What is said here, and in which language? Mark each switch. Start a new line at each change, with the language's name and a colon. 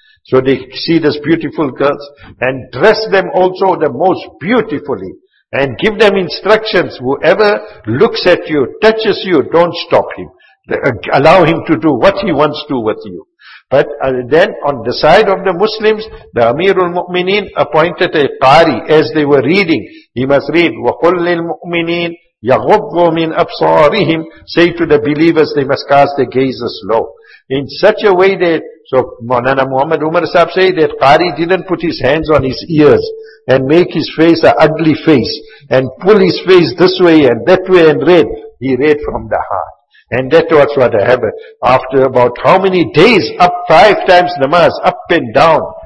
English: So they see these beautiful girls and dress them also the most beautifully. And give them instructions, whoever looks at you, touches you, don't stop him. Allow him to do what he wants to with you. But then on the side of the Muslims, the Amirul Mu'mineen appointed a qari as they were reading. He must read,
Arabic: وَقُلْ لِلْمُؤْمِنِينَ يَغُبُّوا مِنْ أَبْصَارِهِمْ.
English: Say to the believers, they must cast their gazes low. In such a way that, so Maulana Muhammad Umar Sahib say that qari didn't put his hands on his ears and make his face an ugly face and pull his face this way and that way and read. He read from the heart. And that was what happened. After about how many days, up five times namaz, up and down.